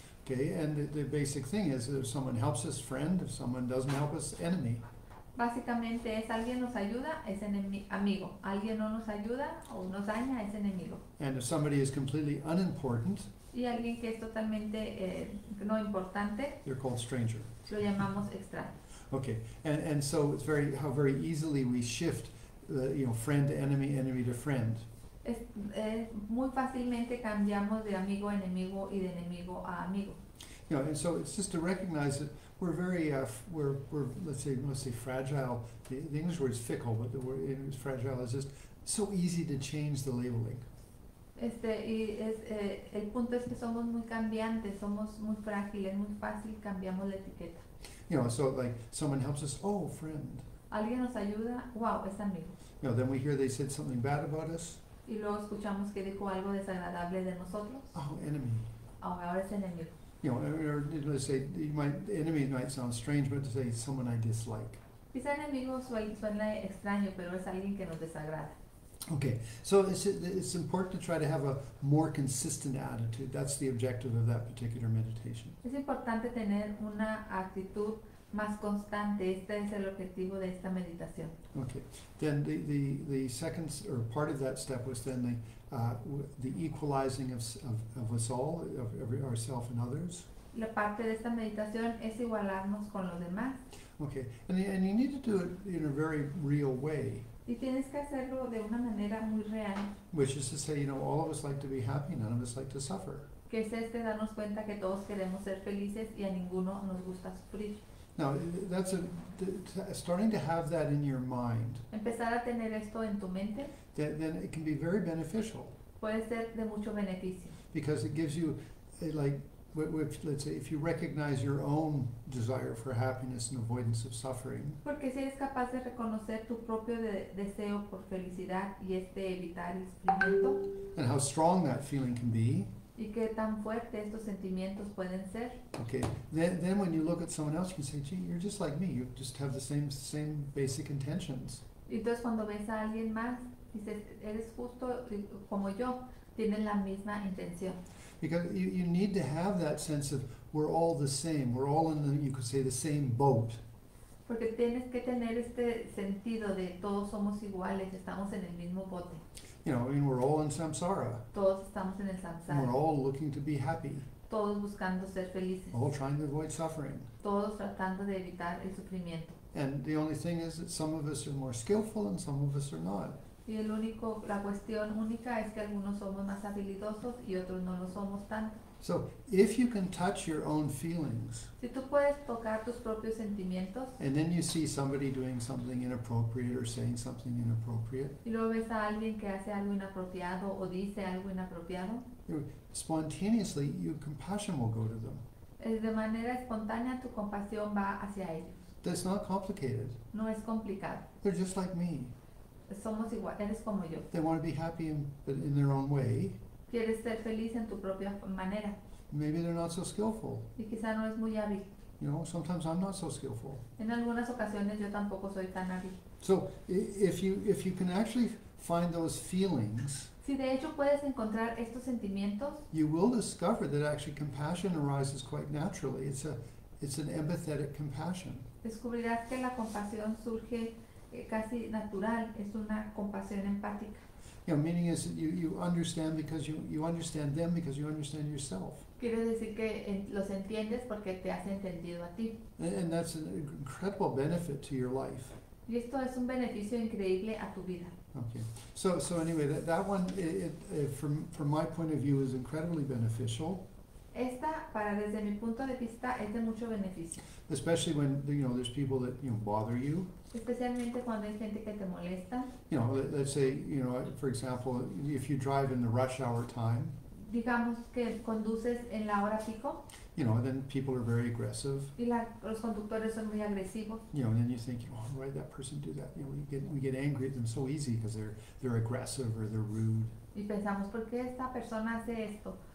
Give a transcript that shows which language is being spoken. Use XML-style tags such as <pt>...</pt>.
<en>Okay, and the basic thing is if someone helps us, friend, if someone doesn't help us, enemy.</en> <es>Básicamente es alguien nos ayuda, es amigo. Alguien no nos ayuda o nos daña, es enemigo.</es> <en>And if somebody is completely unimportant,</en> <es>Sí, alguien que es totalmente no importante.</es> <en>They're called stranger.</en> <es>Lo llamamos extraño.</es> <en>Okay, and so it's very how very easily we shift the friend to enemy, enemy to friend.</en> <es>Es muy fácilmente cambiamos de amigo a enemigo y de enemigo a amigo.</es> <en>And so it's just to recognize that we're very let's say fragile. The English word is fickle, but the word is fragile. It's just so easy to change the labeling.</en> <es>El punto es que somos muy cambiantes, somos muy frágiles, muy fácil cambiamos la etiqueta.</es> <en>So like someone helps us, oh, friend.</en> <es>Alguien nos ayuda, wow, es amigo.</es> <en>Then we hear they said something bad about us.</en> <es>Y luego escuchamos que dijo algo desagradable de nosotros.</es> <en>Oh, enemy.</en> <es>Oh, ahora es enemigo.</es> <en>Enemy might sound strange, but to say someone I dislike.</en> <es>Quizá enemigo suena extraño, pero es alguien que nos desagrada.</es> <en>Okay, so it's important to try to have a more consistent attitude. That's the objective of that particular meditation.</en> <es>Es importante tener una actitud más constante. Este es el objetivo de esta meditación.</es> <en>Okay, then the second or part of that step was then the equalizing of us all, of every ourself and others.</en> <es>La parte de esta meditación es igualarnos con los demás.</es> <en>Okay, and you need to do it in a very real way.</en> <es>Y tienes que hacerlo de una manera muy real.</es> <en>Which is to say, all of us like to be happy, none of us like to suffer.</en> <es>Que es este darnos cuenta que todos queremos ser felices y a ninguno nos gusta sufrir.</es> <en>Now, that's starting to have that in your mind.</en> <es>Empezar a tener esto en tu mente.</es> <en>Then it can be very beneficial.</en> <es>Puede ser de mucho beneficio.</es> <en>Because it gives you, let's say, if you recognize your own desire for happiness and avoidance of suffering.</en> <es>Porque si eres capaz de reconocer tu propio deseo por felicidad y este evitar el sufrimiento.</es> <en>And how strong that feeling can be.</en> <es>Y qué tan fuerte estos sentimientos pueden ser.</es> <en>Okay, then when you look at someone else, you can say, gee, you're just like me. You just have the same basic intentions.</en> <es>Y entonces cuando ves a alguien más, dices, eres justo como yo. Tienen la misma intención.</es> <en>Because you need to have that sense of we're all the same. We're all in the same boat.</en> <es>Porque tienes que tener este sentido de todos somos iguales, estamos en el mismo bote.</es> <en>We're all in samsara.</en> <es>Todos estamos en el samsara.</es> <en>And we're all looking to be happy.</en> <es>Todos buscando ser felices.</es> <en>All trying to avoid suffering.</en> <es>Todos tratando de evitar el sufrimiento.</es> <en>And the only thing is that some of us are more skillful and some of us are not.</en> <es>Y el único, la cuestión única es que algunos somos más habilidosos y otros no lo somos tanto.</es> <en>So, if you can touch your own feelings,</en> <es>si tú puedes tocar tus propios sentimientos,</es> <en>and then you see somebody doing something inappropriate or saying something inappropriate,</en> <es>y luego ves a alguien que hace algo inapropiado o dice algo inapropiado,</es> <en>spontaneously, your compassion will go to them.</en> <es>De manera espontánea, tu compasión va hacia ellos.</es> <en>That's not complicated.</en> <es>No es complicado.</es> <en>They're just like me.</en> <es>Somos igual, eres como yo.</es> <en>They want to be happy in their own way.</en> <es>Quieres ser feliz en tu propia manera.</es> <en>Maybe they're not so skillful.</en> <es>Y quizá no es muy hábil.</es> <en>Sometimes I'm not so skillful.</en> <es>En algunas ocasiones yo tampoco soy tan hábil.</es> <en>So if you can actually find those feelings,</en> <es>si de hecho puedes encontrar estos sentimientos,</es> <en>you will discover that actually compassion arises quite naturally. It's an empathetic compassion.</en> <es>Descubrirás que la compasión surge casi natural, es una compasión empática.</es> <en>Meaning is that you understand because you understand them because you understand yourself.</en> <es>Quiere decir que los entiendes porque te has entendido a ti.</es> <en>And that's an incredible benefit to your life.</en> <es>Y esto es un beneficio increíble a tu vida.</es> <en>Okay. So anyway, that one it from my point of view is incredibly beneficial.</en> <es>Esta, para desde mi punto de vista, es de mucho beneficio.</es> <en>Especially when there's people that bother you.</en> <es>Especialmente cuando hay gente que te molesta.</es> <en>Let's say for example, if you drive in the rush hour time.</en> <es>Digamos que conduces en la hora pico.</es> <en>Then people are very aggressive.</en> <es>Y los conductores son muy agresivos.</es> <en>And then you think, oh, why did that person do that? We get angry at them so easy because they're aggressive or they're rude.</en> <es>Y pensamos, ¿por qué esta persona hace esto?</es>